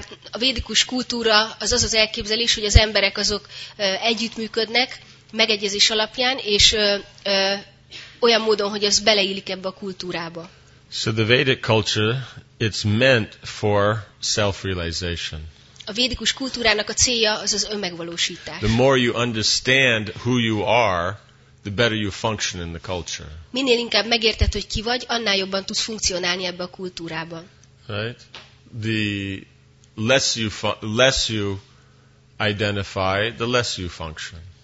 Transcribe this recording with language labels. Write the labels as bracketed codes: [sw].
[hu] A védikus kultúra az elképzelés, hogy az emberek azok együttműködnek megegyezés alapján, és olyan módon, hogy ez beleillik ebbe a kultúrába. [en] So the Vedic culture, it's meant for self-realization. [hu] A védikus kultúrának a célja az az önmegvalósítás. [en] The more you understand who you are, the better you function in the culture. [hu] Minél inkább megérted, hogy ki vagy, annál jobban tudsz funkcionálni ebbe a kultúrában. [en] Right? The less you identify, the less you function.